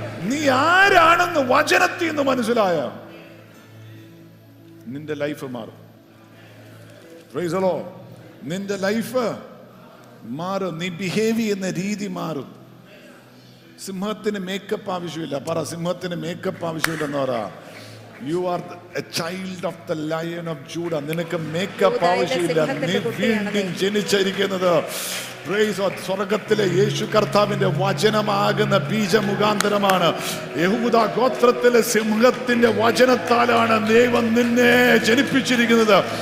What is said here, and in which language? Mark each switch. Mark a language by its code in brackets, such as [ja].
[ml] നീ ആരാണെന്ന് വചനത്തിൽ നിന്ന് മനസ്സിലായ നിന്റെ ലൈഫ് മാറും. [en] Praise the Lord. [ml] നിന്റെ ലൈഫ് മാറും, നീ ബിഹേവ് ചെയ്യുന്ന രീതി മാറും. സിംഹത്തിന് മേക്കപ്പ് ആവശ്യമില്ല. പറ, സിംഹത്തിന് മേക്കപ്പ് ആവശ്യമില്ലെന്ന് പറ. [en] You are the, a child of the Lion of Judah. [ml] നിനക്ക് മേക്കപ്പ് ആവശ്യമില്ല. നീ വീണ്ടും ജനിച്ചിരിക്കുന്നത് സ്വർഗത്തിലെ യേശു കർത്താവിന്റെ വചനമാകുന്ന ബീജമുഖാന്തരമാണ്. യഹൂദ ഗോത്രത്തിലെ സിംഹത്തിന്റെ വചനത്താലാണ് ദൈവം നിന്നെ ജനിപ്പിച്ചിരിക്കുന്നത്.